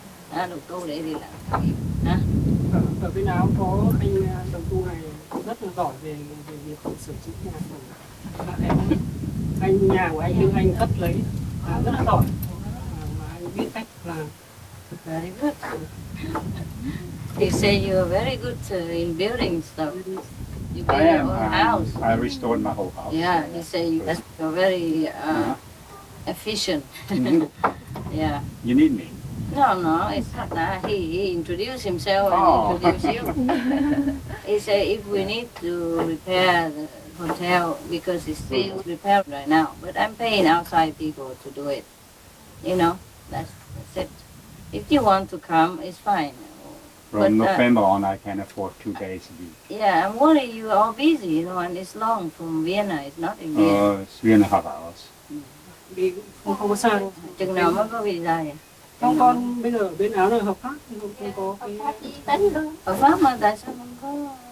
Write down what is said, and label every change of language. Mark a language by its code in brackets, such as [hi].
[vi] À, đồng tu để đi làm. À. Ở bên nào có anh đồng tu này rất là giỏi về việc sửa chữa nhà của anh. Nhà của anh nhưng anh cất lấy rất là giỏi mà anh biết cách làm. [en] Very good. They say you are very good in building stuff. You build your own house. I restored my whole house. Yeah, they say you're very efficient. Mm-hmm. Yeah. You need me. No, it's not that. He introduced himself and introduced you. He said if we need to repair the hotel, because it's still repaired right now, but I'm paying outside people to do it. You know, that's it. If you want to come, it's fine. From November on, I can't afford 2 days a week. Yeah, I'm worried you are all busy, you know, and it's long from Vienna. It's not in Vienna. It's 3.5 hours. [vi] Chừng nào mới có visa vậy? Không, con bây giờ bên Áo là hợp pháp, nhưng không có cái... Hợp pháp gì đấy? Hợp pháp mà tại sao không có...